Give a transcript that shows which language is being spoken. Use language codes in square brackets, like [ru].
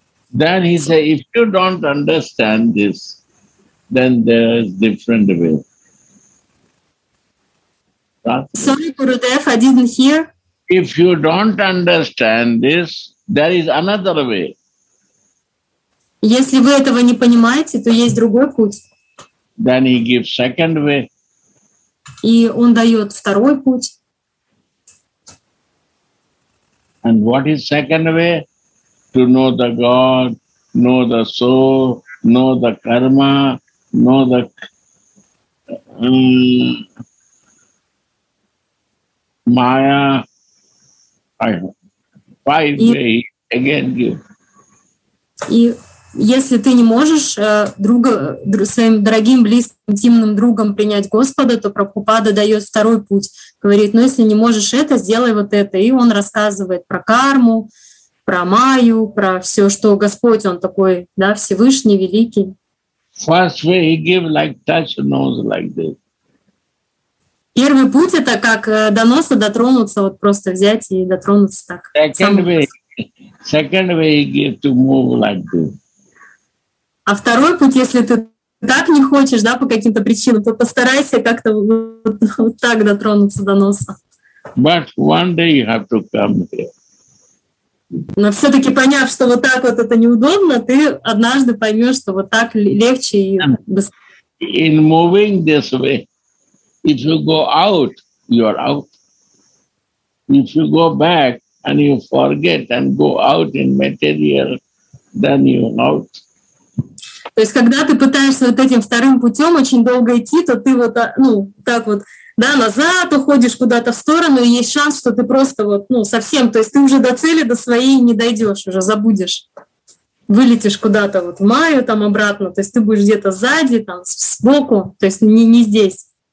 [en] Then he said, if you don't understand this, then there is different way. That's sorry, Gurudev, I didn't hear. If you don't understand this, there is another way. [ru] Если вы этого не понимаете, то есть другой путь. [en] Then he gives second way. [ru] И он дает второй путь. [en] And what is second way? To know the God, know the soul, know the karma, know the Maya. Five way again give. [ru] Если ты не можешь своим дорогим, близким, интимным другом принять Господа, то Прабхупада дает второй путь. Говорит, ну если не можешь это, сделай вот это. И он рассказывает про карму, про майю, про все, что Господь, он такой, да, Всевышний, Великий. [en] First way he give like touch nose like this. [ru] Первый путь — это как до носа дотронуться, вот просто взять и дотронуться так. [en] Second way he give to move like this. [ru] А второй путь, если ты так не хочешь, да, по каким-то причинам, то постарайся как-то вот так дотронуться до носа. [en] But one day you have to come here. [ru] Но все-таки поняв, что вот так вот это неудобно, ты однажды поймешь, что вот так легче и быстрее. [en] In moving this way, if you go out, you're out. If you go back and you forget and go out in material, then you're out. [ru] То есть, когда ты пытаешься вот этим вторым путем очень долго идти, то ты вот, ну, так вот, да, назад уходишь куда-то в сторону, и есть шанс, что ты просто вот, ну, совсем, то есть ты уже до цели, до своей не дойдешь, уже забудешь. вылетишь куда-то вот в маю там обратно, то есть ты будешь где-то сзади, там сбоку, то есть не здесь.